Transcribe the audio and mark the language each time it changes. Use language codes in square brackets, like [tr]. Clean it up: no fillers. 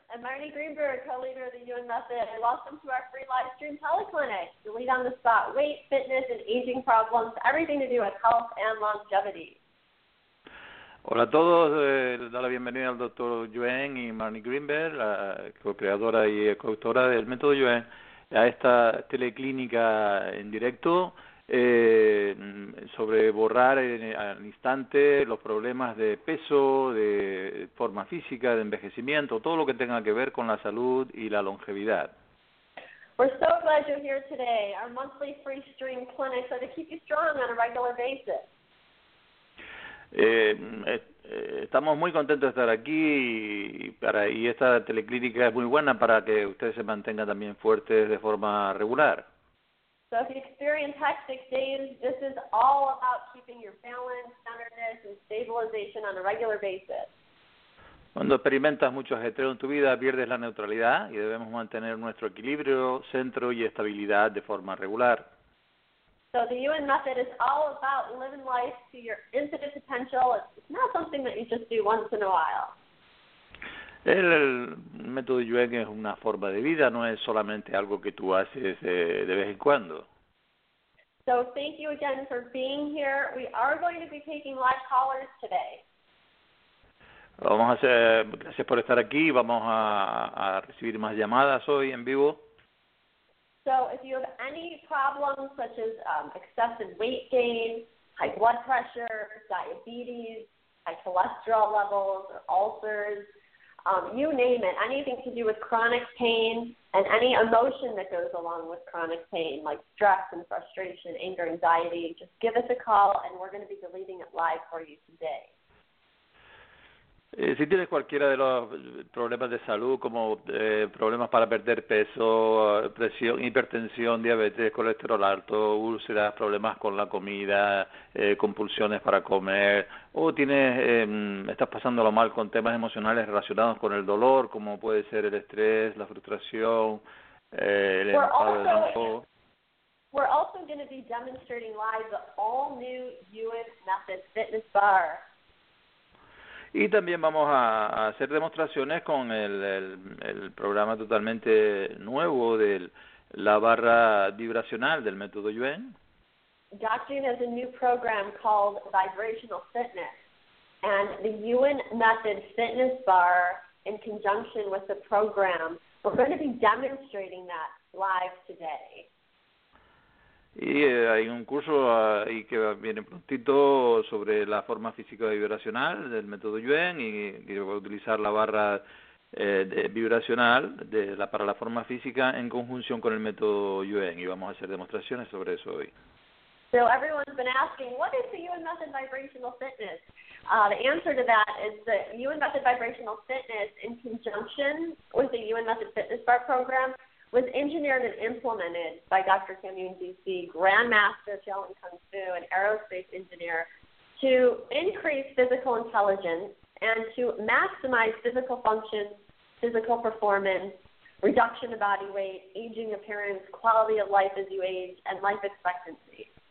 [en] I'm Marnie Greenberg, co-leader of the Yuen Method, and welcome to our free live stream teleclinic to lead on the spot weight, fitness, and aging problems, everything to do with health and longevity. [es] Hola a todos, da la bienvenida al Dr. Yuen y Marnie Greenberg, la co-creadora y coautora del método Yuen, a esta teleclínica en directo sobre borrar al instante los problemas de peso, de forma física, de envejecimiento, todo lo que tenga que ver con la salud y la longevidad. [en] We're so glad you're here today. Our monthly free stream clinics are to keep you strong on a regular basis. [es] Estamos muy contentos de estar aquí y esta teleclínica es muy buena para que ustedes se mantengan también fuertes de forma regular. [en] So if you experience hectic days, this is all about keeping your balance, centeredness, and stabilization on a regular basis. [es] Cuando experimentas mucho ajetreo en tu vida, pierdes la neutralidad y debemos mantener nuestro equilibrio, centro y estabilidad de forma regular. [en] So the UN method is all about living life to your infinite potential. It's not something that you just do once in a while. [es] El método Yuen es una forma de vida, no es solamente algo que tú haces de vez en cuando. [en] So thank you again for being here. We are going to be taking live callers today. [es] Vamos a hacer, gracias por estar aquí. Vamos a recibir más llamadas hoy en vivo. [en] So if you have any problems such as excessive weight gain, high blood pressure, diabetes, high cholesterol levels, or ulcers, you name it, anything to do with chronic pain and any emotion that goes along with chronic pain, like stress and frustration, anger, anxiety, just give us a call and we're going to be deleting it live for you today. [es] Si tienes cualquiera de los problemas de salud, como problemas para perder peso, presión, hipertensión, diabetes, colesterol alto, úlceras, problemas con la comida, compulsiones para comer, o tienes, estás pasándolo mal con temas emocionales relacionados con el dolor, como puede ser el estrés, la frustración, el estado de ánimo. [en] We're also going to be demonstrating live the all-new UN Method Fitness Bar. [es] Y también vamos a hacer demostraciones con el programa totalmente nuevo de la barra vibracional del método Yuen. [en] Dr. Yuen has a new program called Vibrational Fitness. And the Yuen Method Fitness Bar, in conjunction with the program, we're going to be demonstrating that live today. [es] Y hay un curso ahí que viene prontito sobre la forma física vibracional del método Yuen y voy a utilizar la barra para la forma física en conjunción con el método Yuen y vamos a hacer demostraciones sobre eso hoy. [en] So everyone's been asking, what is the Yuen Method Vibrational Fitness? The answer to that is the Yuen Method Vibrational Fitness in conjunction with the Yuen Method Fitness Bar program was engineered and implemented by Dr. Cam Yuen, D.C., Grandmaster Shaolin Kung Fu and aerospace engineer, to increase physical intelligence and to maximize physical function, physical performance, reduction of body weight, aging appearance, quality of life as you age, and life expectancy.